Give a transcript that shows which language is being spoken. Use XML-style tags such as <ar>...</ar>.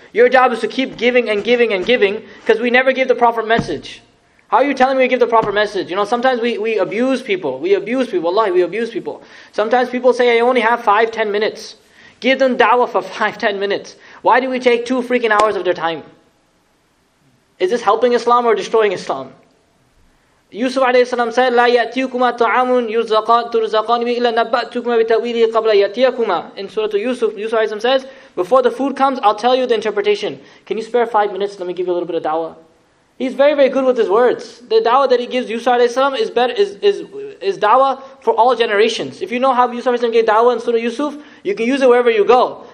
<en>Your job is to keep giving and giving and giving because we never give the proper message. How are you telling me we give the proper message? You know, sometimes we abuse people. We abuse people. Wallahi, we abuse people. Sometimes people say, I only have 5-10 minutes. Give them da'wah for 5-10 minutes. Why do we take 2 freaking hours of their time? Is this helping Islam or destroying Islam? Yusuf alayhi salam said,</en> <ar>لَا يَأْتِيُكُمَا تَعَامٌ تُرْزَقَانِمِ إِلَّا نَبَّأْتُكُمَا بِتَأْوِيلِهِ قَبْلَ يَأْتِيَكُمَا.</ar> <en>In Surah Yusuf, Yusuf alayhi salam says, before the food comes, I'll tell you the interpretation. Can you spare 5 minutes? Let me give you a little bit of da'wah. He's very, very good with his words. The da'wah that he gives Yusuf alayhi salam is da'wah for all generations. If you know how Yusuf alayhi salam gave da'wah in Surah Yusuf, you can use it wherever you go.</en>